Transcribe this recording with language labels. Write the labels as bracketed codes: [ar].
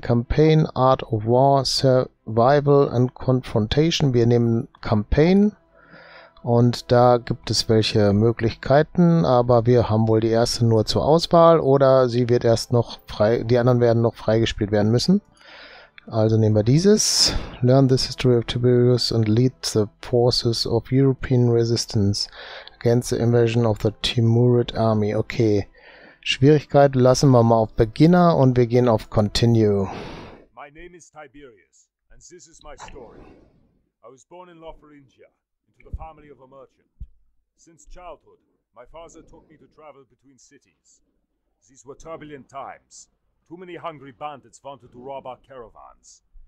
[en] Campaign, Art of War, Survival and Confrontation. [de] Wir nehmen Campaign. Und da gibt es welche Möglichkeiten, aber wir haben wohl die erste nur zur Auswahl. Oder sie wird erst noch frei, die anderen werden noch freigespielt werden müssen. Also nehmen wir dieses. [en] Learn the history of Tiberius and lead the forces of European resistance against the invasion of the Timurid army. Okay. [de] Schwierigkeit lassen wir mal auf Beginner und wir gehen auf Continue. [en] My name is Tiberius and this is my story. I was born in Lotharingia into the family of a merchant. Since childhood, my father took me to travel between cities. These were turbulent times. Too many hungry bandits wanted to rob our caravans.